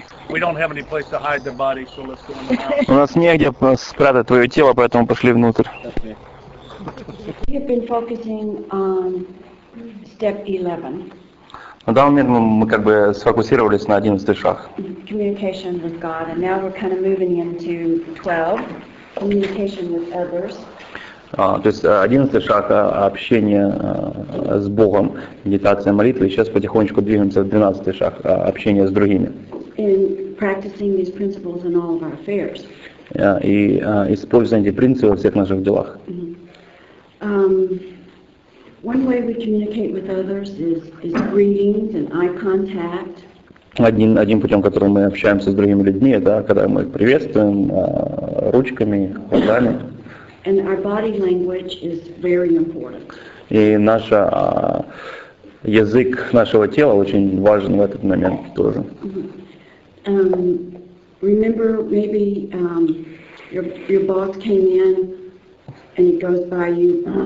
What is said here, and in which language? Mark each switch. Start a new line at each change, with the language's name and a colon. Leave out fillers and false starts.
English: We don't have any place to hide the body, so let's go in the house.
Russian: У нас негде спрятать твое тело, поэтому пошли внутрь.
English: We have been focusing on step 11.
Russian: На данный момент мы как бы сфокусировались на 11 шаг.
English: Communication with God, and now we're kind of moving into 12, communication with others.
Russian: То есть 11 шаг общения с Богом, медитация, молитва, и сейчас потихонечку двигаемся в 12 шаг общения с другими.
English: In practicing these principles in all of our affairs.
Russian: Используя эти принципы во всех наших делах. Mm-hmm.
English: One way we communicate with others is greetings and eye contact.
Russian: Один путем, которым мы общаемся с другими людьми, это когда мы их приветствуем ручками, глазами.
English: And our body language is very important.
Russian: И наш язык нашего тела очень важен в этот момент тоже. Mm-hmm.
English: Remember, maybe your boss came in and he goes by you.